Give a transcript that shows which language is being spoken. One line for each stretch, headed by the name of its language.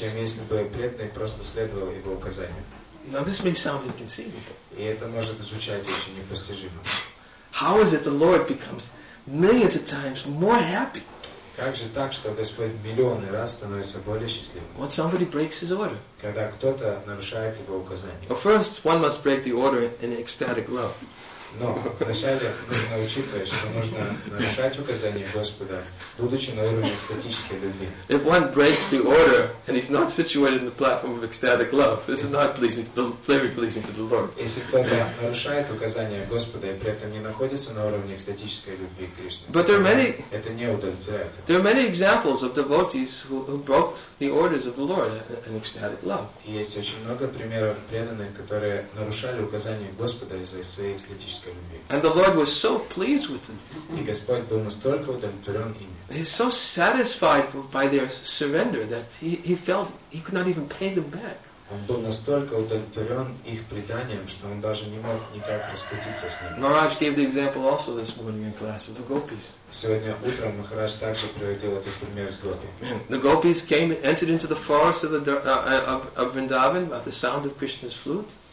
Russian: Чем если бы преданный просто следовал его указаниям.
English: Now this may sound inconceivable.
Russian: И это может звучать очень непостижимо.
English: How is it the Lord becomes millions of times more happy?
Russian: Как же так, что Господь миллионы раз становится более счастливым?
English: When somebody breaks his order.
Russian: Когда кто-то нарушает его указания.
English: Well, first one must break the order in ecstatic love.
Russian: Но вначале нужно учитывать, что нужно нарушать указания Господа, будучи на уровне экстатической любви.
English: If one breaks the order and he's not situated in the platform of ecstatic love, this is not pleasing, very pleasing to the Lord.
Russian: Если кто-то нарушает указания Господа и при этом не находится на уровне экстатической любви к Кришне,
English: but there are many,
Russian: это не удовлетворяет.
English: There are many examples of devotees who broke the orders of the Lord in ecstatic love.
Russian: Есть очень много примеров преданных, которые нарушали указания Господа из-за своей экстатической.
English: And the Lord was so pleased with them.
Russian: И Господь был настолько удовлетворен ими.
English: He is so satisfied by their surrender that he felt he could not even pay them back.
Russian: Он был настолько удовлетворен их преданием, что он даже не мог никак расплатиться с ними.
English: Maharaj gave the example also this morning in class of the gopis.
Russian: Сегодня утром Махарадж также приводил этот пример с гопи.
English: The gopis came and entered into the forest of Vrindavan by the sound of Krishna's flute.